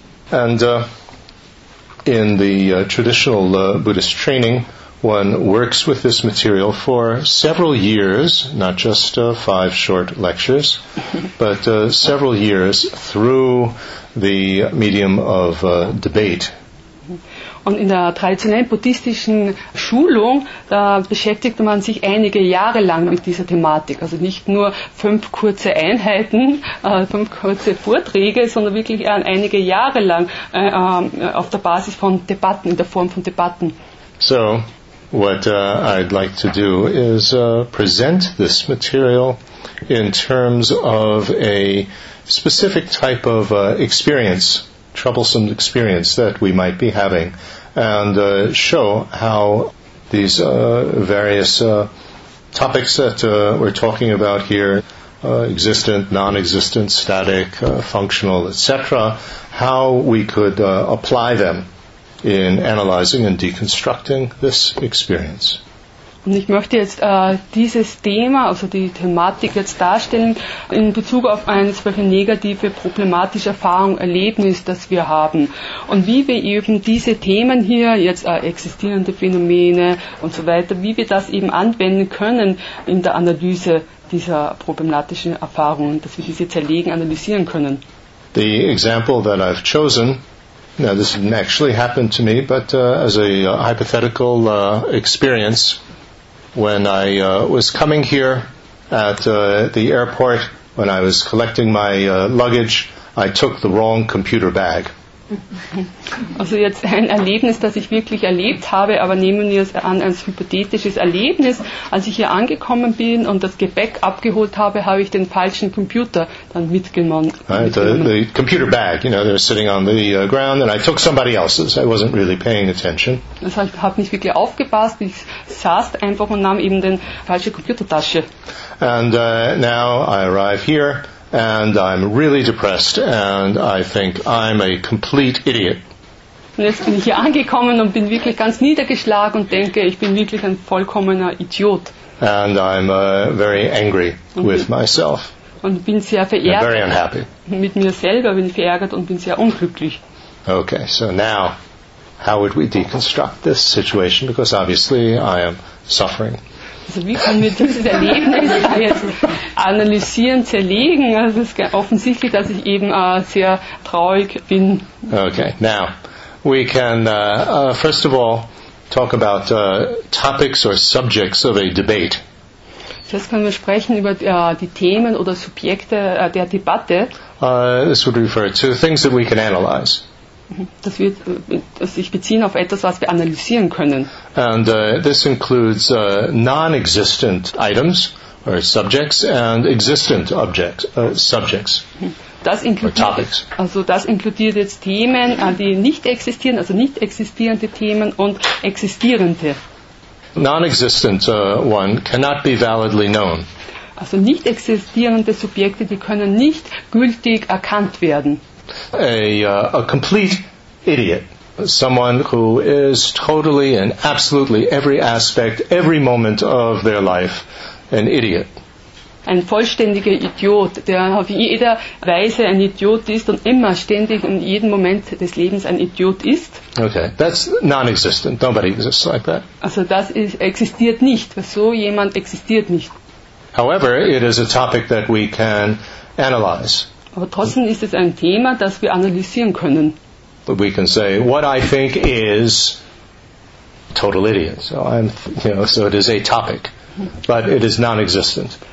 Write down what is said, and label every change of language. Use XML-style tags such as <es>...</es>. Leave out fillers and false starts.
<en>And in the traditional Buddhist training, one works with this material for several years, not just five short lectures, but several years through the medium of debate.</en> <de>Und in der traditionellen buddhistischen Schulung, da beschäftigt man sich einige Jahre lang mit dieser Thematik. Also nicht nur fünf kurze Einheiten, fünf kurze Vorträge, sondern wirklich einige Jahre lang auf der Basis von Debatten, in der Form von Debatten.</de> <en>So, what I'd like to do is present this material in terms of a specific type of experience, troublesome experience that we might be having, and show how these various topics that we're talking about here, existent, non-existent, static, functional, etc., how we could apply them in analyzing and deconstructing this experience.</en> <de>Und ich möchte jetzt dieses Thema, also die Thematik jetzt darstellen, in Bezug auf eine solche negative, problematische Erfahrung, Erlebnis, das wir haben. Und wie wir eben diese Themen hier, jetzt existierende Phänomene und so weiter, wie wir das eben anwenden können in der Analyse dieser problematischen Erfahrungen, dass wir diese zerlegen, analysieren können.</de> <en>The example that I've chosen, now this didn't actually happen to me, but as a hypothetical experience, when I was coming here at the airport, when I was collecting my luggage, I took the wrong computer bag.</en> <de>Also jetzt ein Erlebnis, das ich wirklich erlebt habe, aber nehmen wir es an als hypothetisches Erlebnis. Als ich hier angekommen bin und das Gepäck abgeholt habe, habe ich den falschen Computer dann mitgenommen.</de> <en>Right, the computer bag, you know, they're sitting on the ground and I took somebody else's. I wasn't really paying attention.</en> <de>Also ich habe nicht wirklich aufgepasst. Ich saß einfach und nahm eben den falsche Computertasche.</de> <en>And now I arrive here. And I'm really depressed, and I think I'm a complete idiot.</en> <de>Und jetzt bin ich hier angekommen und bin wirklich ganz niedergeschlagen und denke, ich bin wirklich ein vollkommener Idiot.</de> <en>And I'm very angry with myself.</en> <de>Und bin sehr verärgert.</de> <en>I'm very unhappy.</en> <de>Mit mir selber bin ich verärgert und bin sehr unglücklich.</de> <en>Okay, so now, how would we deconstruct this situation? Because obviously I am suffering.</en> <de>Also wie können wir dieses Erlebnis jetzt analysieren, zerlegen? Also es ist offensichtlich, dass ich eben sehr traurig bin.</de> <en>Okay, now, we can first of all talk about topics or subjects of a debate.</en> <de>Jetzt können wir sprechen über die Themen oder Subjekte der Debatte.</de> <en>This would refer to things that we can analyze.</en> <de>Das wird sich beziehen auf etwas, was wir analysieren können.</de> <en>And this includes non-existent items or subjects and existent objects, subjects</en> <de>das</de> <en>or topics.</en> <de>Also das inkludiert jetzt Themen, die nicht existieren, also nicht existierende Themen und existierende.</de> <en>Non-existent one cannot be validly known.</en> <de>Also nicht existierende Subjekte, die können nicht gültig erkannt werden.</de> <en>A complete idiot, someone who is totally and absolutely every aspect, every moment of their life, an idiot.</en> <de>Ein vollständiger Idiot, der auf jeder Weise ein Idiot ist und immer ständig in jedem Moment des Lebens ein Idiot ist.</de> <en>Okay, that's non-existent. Nobody exists like that.</en> <de>Also das existiert nicht. So jemand existiert nicht.</de> <en>However, it is a topic that we can analyze.</en> <de>Aber trotzdem ist es ein Thema, das wir analysieren können.</de> <en>We can say, what I think is total idiot. So, you know, so it is a topic, but it is non-existent.</en>